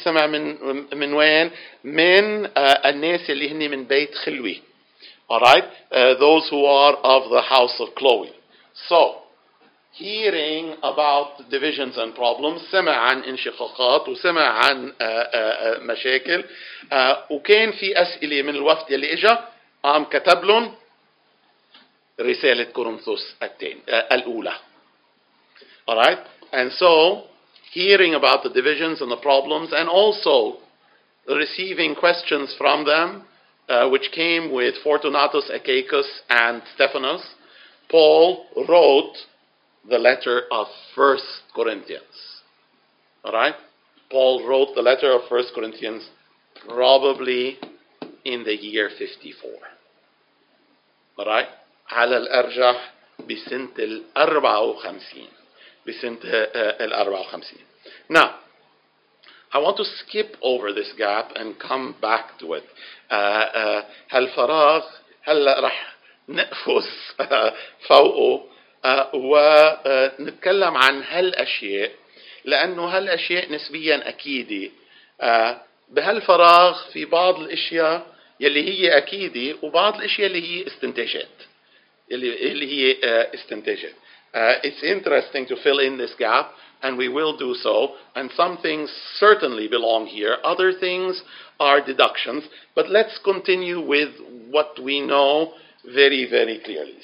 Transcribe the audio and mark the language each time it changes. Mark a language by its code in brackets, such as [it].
[ar] سمع من وين؟ من الناس اللي هني من بيت خلوي. [en] Alright, those who are of the house of Chloe. So, hearing about divisions and problems, سمع عن انشقاقات وسمع عن مشاكل وكان في أسئلة من الوفد اللي إجا عم كتب لهم رسالة كورنثوس الأولى. Alright, and so hearing about the divisions and the problems and also receiving questions from them which came with Fortunatus, Achaicus and Stephanus, Paul wrote the letter of 1 Corinthians. All right? Paul wrote the letter of 1 Corinthians probably in the year 54. All right? [ar] على الأرجح بسنة الأربعة وخمسين. بسنة الأربعة وخمسين. [en] Now, I want to skip over this gap and come back to it. [ar] هل فراغ هلا رح نقفز فوقه ونتكلم عن هالأشياء لأنه هالأشياء نسبيا أكيدة. بهالفراغ في بعض الأشياء يلي هي أكيدة وبعض الأشياء اللي هي استنتاجات. [en] It's interesting to fill in this gap, and we will do so. And some things certainly belong here. Other things are deductions. But let's continue with what we know very, very clearly.